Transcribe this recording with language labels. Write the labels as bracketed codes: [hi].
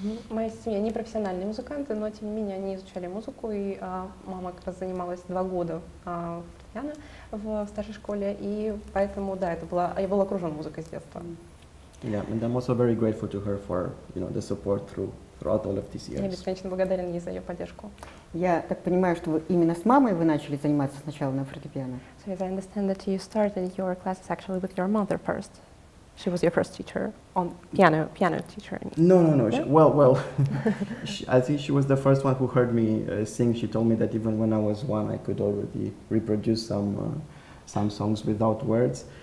[ru] Моя семья не профессиональные музыканты, но тем не менее они изучали музыку, и мама как раз занималась 2 года фортепиано в старшей школе, и поэтому, да, я был окружен музыкой с детства. [en] Yeah, and I'm also very grateful to her for, you know, the support throughout all of these years. [ru] Я бесконечно благодарен ей за ее поддержку. Я так понимаю, что вы именно с мамой вы начали заниматься сначала на фортепиано. [en] So as I understand that you started your classes actually with your mother first. She was your first teacher on piano teacher. No. I think she was the first one who heard me sing. She told me that even when I was one, I could already reproduce some songs without words.